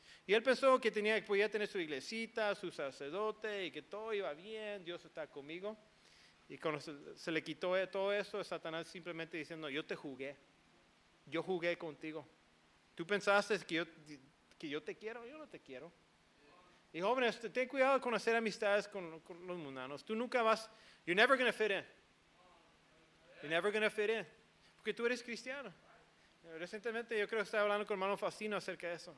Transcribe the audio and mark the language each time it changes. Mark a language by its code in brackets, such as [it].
[es] Y él pensó que podía tener su iglesita, su sacerdote, y que todo iba bien, Dios está conmigo. Y cuando se le quitó todo eso, Satanás simplemente diciendo, yo te jugué. Yo jugué contigo. Tú pensaste que yo te quiero, yo no te quiero. Y jóvenes, ten cuidado con hacer amistades con los mundanos. Tú nunca vas, [en] you're never going to fit in. You're never going to fit in. [es] Porque tú eres cristiano. Recientemente yo creo que estaba hablando con hermano Facino acerca de eso.